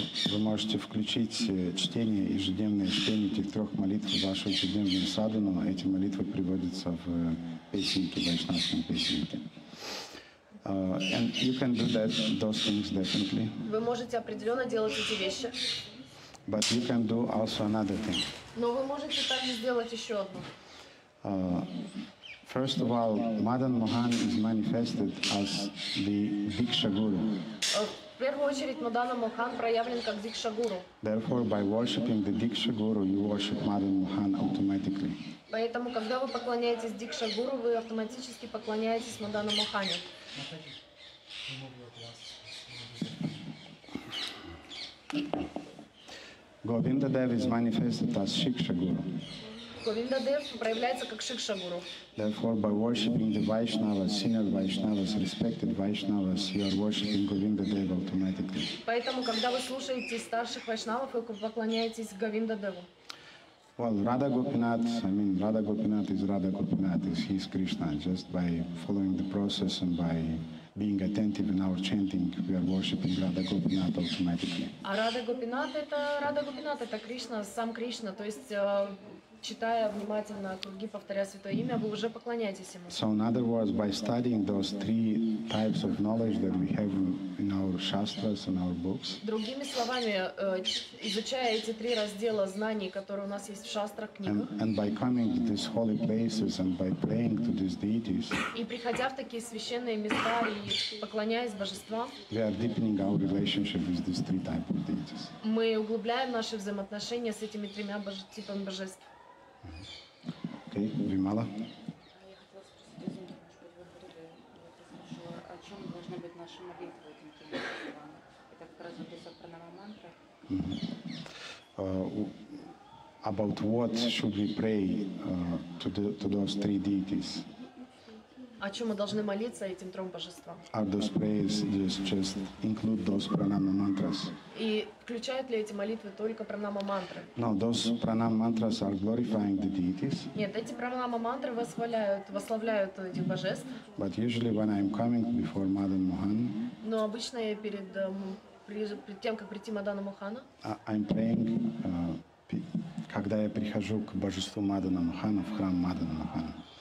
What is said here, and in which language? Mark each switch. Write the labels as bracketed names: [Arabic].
[Russian] Вы можете включить чтение, ежедневное чтение этих трех молитв в вашу ежедневную садхану, но эти молитвы приводятся в песенки, в вайшнавском песенке. [English] And you can do that, those things definitely. [Russian] Вы можете определенно делать эти вещи. [English] But you can do also another thing. [Russian] Но вы можете также сделать еще одну. [English] First of all, Madan Mohan is manifested as the Diksha Guru. [Russian] В первую очередь Мадана Мохан проявлен как Дикша Гуру. [English] Therefore, by worshiping the Diksha Guru, you worship Madan Mohan automatically. [Russian] Поэтому, когда вы поклоняетесь Дикша Гуру, вы автоматически поклоняетесь Мадана Мохане. [English] Govinda Dev is manifested as Shiksha Guru. [Russian] Govinda Dev проявляется как Шикша Гуру. [English] Therefore, by worshiping the Vaishnavas, senior Vaishnavas, respected Vaishnavas, you are worshiping Govinda Dev automatically. [Russian] Поэтому, когда вы слушаете старших вайшнавов, вы поклоняетесь Говинда Деву. [English] Well, Radha Gopinath, Radha Gopinath is Radha Gopinath, he is Krishna. Just by following the process and by being attentive in our chanting, we are worshiping Radha Gopinath automatically. [Russian] А Радха Гопинат это Радха Гопинат это Кришна, сам Кришна, то есть читая внимательно круги, повторяя святое имя, вы уже поклоняетесь ему. [English] So in other words, by studying those three types of knowledge that we have in our shastras and our books. [Russian] Другими словами, изучая эти три раздела знаний, которые у нас есть в шастрах, книгах. [English] And by coming to these holy places and by praying to these deities. [Russian] И приходя в такие священные места и поклоняясь божествам. [English] We are deepening our relationship with these three types of deities. [Russian] Мы углубляем наши взаимоотношения с этими тремя типами божеств. Окей, Вимала. Я хотела спросить, если вы немножко говорили, о чем должна быть наша молитва этим тремя божествам? Это как раз вот эта пранама мантра. [English] About what should we pray to those three deities? [Russian] О чем мы должны молиться этим трем божествам? [English] Are those prayers just include those pranama mantras? [Russian] И включают ли эти молитвы только пранама мантры? [English] No, those pranama mantras are glorifying the deities. [Russian] Нет, эти пранама мантры восславляют этих божеств. [English] But usually when I'm coming before Madan Mohan. [Russian] Но обычно я перед тем, как прийти Мадана Мохана. [English] I'm praying, [Russian] когда я прихожу к божеству Мадана Мохана в храм Мадана Мохана.